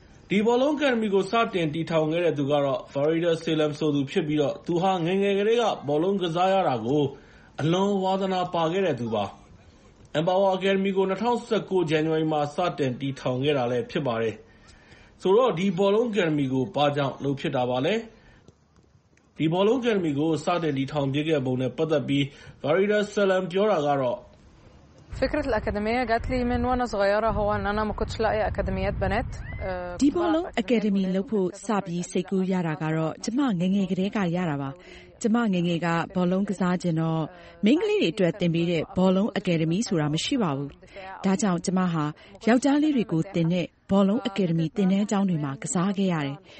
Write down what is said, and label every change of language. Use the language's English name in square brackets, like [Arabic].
[Burmese] ဒီဘောလုံးအကယ်ဒမီကိုစတင်တည်ထောင်ခဲ့တဲ့သူကတော့ Farida Salim ဆိုသူဖြစ်ပြီးတော့သူဟာငငယ်ကလေးကဘောလုံးကစားရတာကိုအလွန်ဝါသနာပါခဲ့တဲ့သူပါ Empower Academy ကို2019 January မှာစတင်တည်ထောင်ခဲ့တာလည်းဖြစ်ပါတယ်ဆိုတော့ဒီဘောလုံးအကယ်ဒမီကိုဘာကြောင့်လုပ်ဖြစ်တာပါလဲဒီဘောလုံးအကယ်ဒမီကိုစတဲ့တီထောင်ပြခဲ့ပုံနဲ့ပတ်သက်ပြီး Farida Salim ပြောတာကတော့ [Arabic] فكرة الأكاديمية جات لي من وأنا صغيرة هو أن أنا ما كنتش لاقي أكاديميات بنات [Burmese] ဒီဘောလုံးအကယ်ဒမီလို့ဖို့စပြီးစိတ်ကူးရတာကတော့ကျမငငယ်ကလေးကရတာပါကျမငငယ်ကဘောလုံးကစားခြင်းတော့မိန်းကလေးတွေအတွက်တင်ပေးတဲ့ဘောလုံးအကယ်ဒမီဆိုတာမရှိပါဘူးဒါကြောင့်ကျမဟာယောက်ျားလေးတွေကိုတင်တဲ့ဘောလုံးအကယ်ဒမီတင်တဲ့အကြောင်းတွေမှာကစားခဲ့ရတယ်